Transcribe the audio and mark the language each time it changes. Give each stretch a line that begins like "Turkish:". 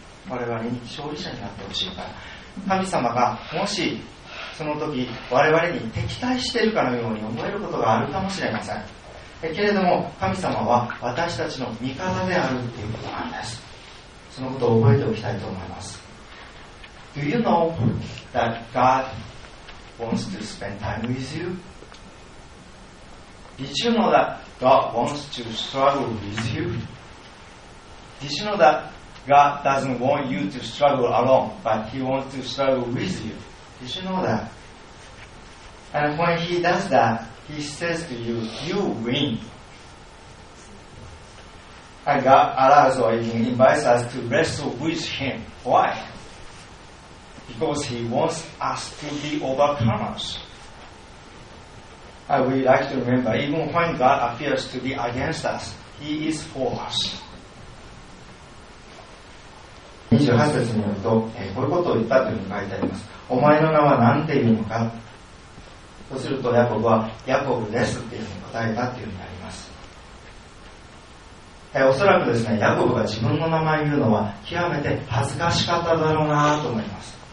Japanese: 我々に勝利者になってほしいから。神様がもしその時我々に敵対しているかのように思えることがあるかもしれません。けれども神様は私たちの味方であるということなんです。そのことを覚えておきたいと思います。
English: Do you know that God wants to spend time with you? Did you know that God wants to struggle with you? Did you know that God doesn't want you to struggle alone, but He wants to struggle with you? Did you know that? And when he does that, he says to you, you win. And God allows or even invites us to wrestle with him. Why? Because he wants us to be overcomers. And we like to remember, even when God appears to be against us, he is for us.
Japanese: 28節によると、こういうことを言ったというふうに書いてあります。お前の名は何ていうのか。そうするとヤコブはヤコブですというふうに答えたというふうになります。おそらくですね、ヤコブが自分の名前を言うのは極めて恥ずかしかっただろうなと思います。